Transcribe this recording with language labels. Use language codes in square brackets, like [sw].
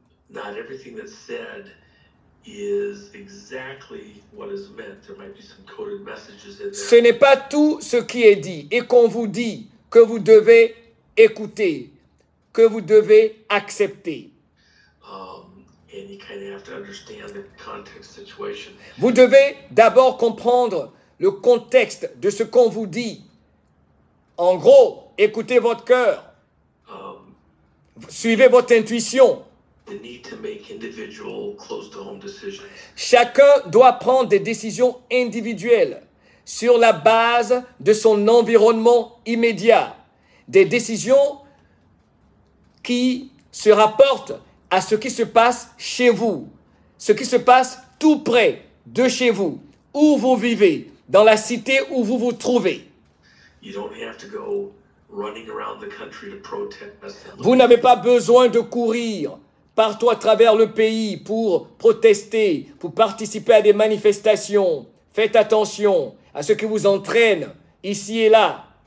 [en] Not everything that's said is exactly what is meant. There might be some coded messages in there. [fr] Ce n'est pas tout ce qui est dit et qu'on vous dit que vous devez écouter, que vous devez accepter. [en] And you kind of have to understand the context situation. [fr] Vous devez d'abord comprendre le contexte de ce qu'on vous dit. En gros, écoutez votre cœur. Suivez votre intuition. [en] They need to make individual close to home decisions. [fr] Chacun doit prendre des décisions individuelles sur la base de son environnement immédiat. Des décisions qui se rapportent à ce qui se passe chez vous. Ce qui se passe tout près de chez vous, où vous vivez, dans la cité où vous vous trouvez. [en] You don't have to go running around the country to protest. [fr] Vous n'avez pas besoin de courir partout à travers le pays pour protester, pour participer à des manifestations. Faites attention à ce qui vous entraîne ici et là.